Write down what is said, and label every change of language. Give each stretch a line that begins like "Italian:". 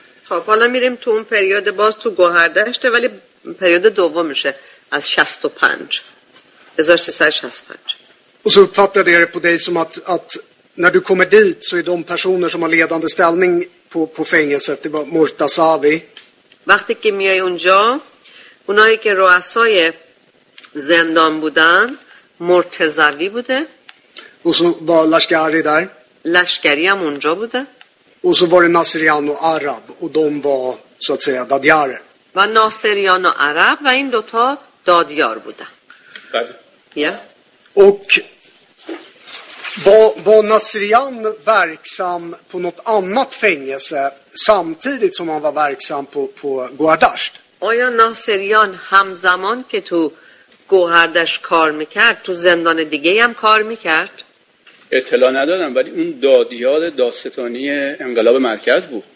Swedish: Ja, på alla mer tom perioder bas to Guardasht är väl perioden då var mycket as 65. Det är så 65. Och så uppfattade jag det på dig som att när du kommer dit så är de personer som har ledande ställning på fängelset, det var Murtazavi.
Persian: وقتی که میای اونجا اونایی که رؤسای زندان بودن مرتضوی بوده.
Swedish: Och så var Lashkari där.
Persian: Lashkari هم اونجا بوده.
Swedish: Och så var det Nasirian och Arab och de var så att säga dadjar.
Persian: و ناصریان و عرب و این دوتا دادیار بودن.
Swedish: و var ناصریان verksam på något annat fängelse samtidigt som han var verksam på Guardasht؟
Persian: آیا ناصریان همزمان که تو گوهردشت کار میکرد تو زندان دیگه هم کار میکرد؟ اطلاع ندادم ولی اون دادیار داستانی انقلاب مرکز بود.